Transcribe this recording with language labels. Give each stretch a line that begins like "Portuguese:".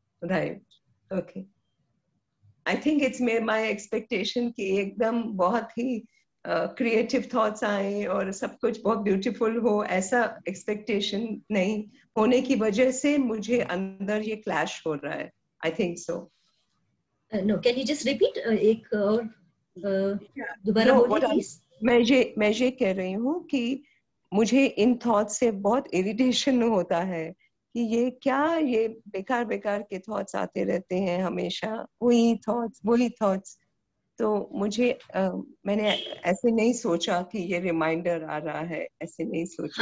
English: Right, okay. I think it's my expectation
Hindi: कि एकदम बहुत ही
English: creative thoughts
Hindi: आए और सब कुछ बहुत beautiful हो, ऐसा expectation नहीं होने की वजह से मुझे अंदर ये clash हो रहा है.
English: I think so. No, can you just repeat
Hindi: एक और दोबारा बोलिए please. मैं ये कह रही हूँ कि मुझे इन thoughts से बहुत irritation होता है कि ये क्या, ये बेकार बेकार के थॉट्स आते रहते हैं हमेशा, वही थॉट्स वही थॉट्स. तो मुझे मैंने ऐसे नहीं सोचा कि ये रिमाइंडर आ रहा है, ऐसे नहीं सोचा.